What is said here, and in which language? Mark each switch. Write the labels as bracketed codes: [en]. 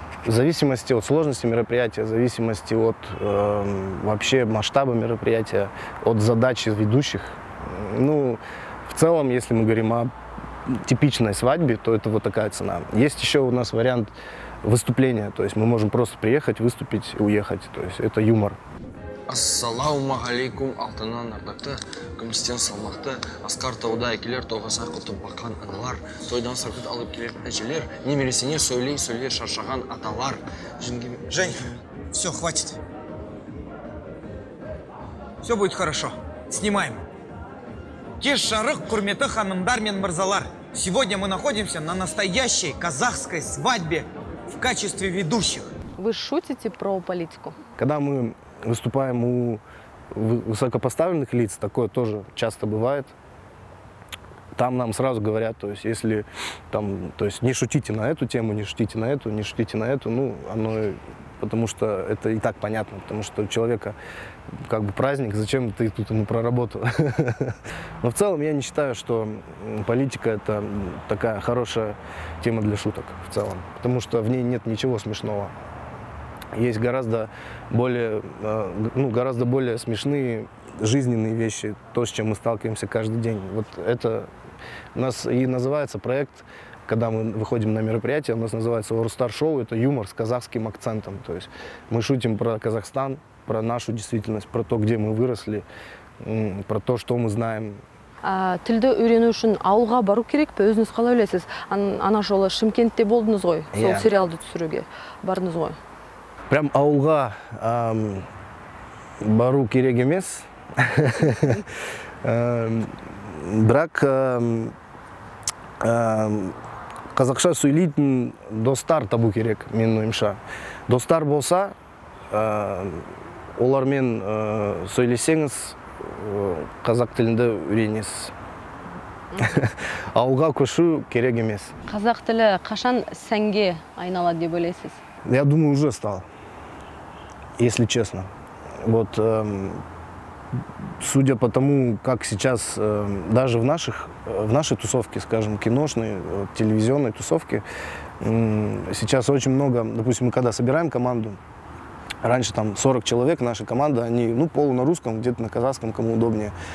[ru] В зависимости от сложности мероприятия, в зависимости от вообще масштаба мероприятия, от задачи ведущих. Ну, в целом, если мы говорим о типичной свадьбе, то это вот такая цена. Есть еще у нас вариант выступления, то есть мы можем просто приехать, выступить и уехать, то есть это юмор. [kk] Ассаламу алейкум, алтынан ардакты, күмістен салмақты, асқар тауда әкелер, тоғаса құтып баққан аналар, тойдан сарқыт алып келер әжелер, немересіне сөйлей-сөйлер шаршаған аталар. [ru] Жень, все, хватит. Все будет хорошо. Снимаем. [kk] Кеш жарық құрметі ханымдар мен мырзалар. [ru] Сегодня мы находимся на настоящей казахской свадьбе в качестве ведущих. Вы шутите про политику? Когда мы выступаем у высокопоставленных лиц, такое тоже часто бывает. Там нам сразу говорят, то есть если там, то есть не шутите на эту тему, не шутите на эту, не шутите на эту, ну, оно, потому что это и так понятно, потому что у человека как бы праздник, зачем ты тут ему про работу? Но в целом я не считаю, что политика — это такая хорошая тема для шуток в целом, потому что в ней нет ничего смешного. Есть гораздо более, ну, гораздо более смешные жизненные вещи, то, с чем мы сталкиваемся каждый день. Вот это у нас и называется проект, когда мы выходим на мероприятие, у нас называется «Орстар шоу», это юмор с казахским акцентом. То есть мы шутим про Казахстан, про нашу действительность, про то, где мы выросли, про то, что мы знаем. [kk] Тілді үйрену үшін ауылға бару керек пе? Өзіңіз қалай ойлайсыз? Ана жолы Шымкентте болдыңыз ғой, сол сериалды түсіруге бардыңыз ғой. Прям ауылға бару керек емес. бірақ қазақша сөйлейтін достар табу керек, мен ойымша. Достар болса, олармен сөйлесеңіз, қазақ тілінде үйренесіз. Ауылға көшу керек емес. Қазақ тілі қашан сәнге айналады деп ойлайсыз? [ru] Я думаю, уже стал. Если честно, вот судя по тому, как сейчас даже в нашей тусовке, скажем, киношной, телевизионной тусовке, сейчас очень много, допустим, мы когда собираем команду, раньше там 40 человек, наша команда, они, ну, полу на русском, где-то на казахском, кому удобнее.